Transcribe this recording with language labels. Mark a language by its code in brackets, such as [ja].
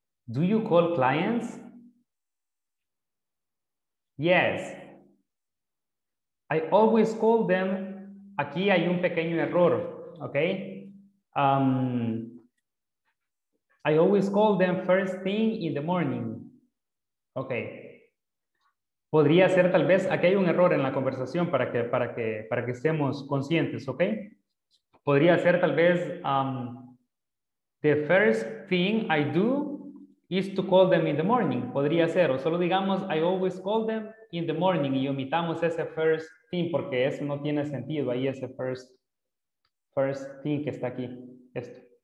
[en] Do you call clients? Yes. I always call them. [es] Aquí hay un pequeño error, okay? [en] I always call them first thing in the morning. Okay. [es] Podría ser tal vez, aquí hay un error en la conversación para que estemos conscientes, okay? Podría ser tal vez, [en] the first thing I do is to call them in the morning. [es] Podría ser, o solo digamos, [en] I always call them in the morning, [es] y omitamos ese [en] first thing [es] porque eso no tiene sentido, ahí ese first thing que está aquí, esto.